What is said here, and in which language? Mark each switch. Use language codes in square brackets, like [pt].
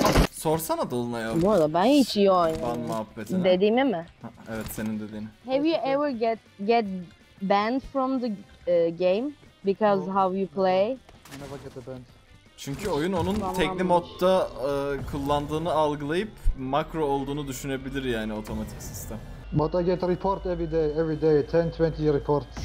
[tr] Sorsana Dolun'a ya. Bu arada ben hiç iyi oynuyorum. Dediğimi mi? Evet, senin dediğini. [en] Have you ever get banned from the game because how you play? I never get banned. [tr] Çünkü oyun onun tekli modda kullandığını algılayıp makro olduğunu düşünebilir yani otomatik sistem. [en] But I get a report every day, 10-20 report.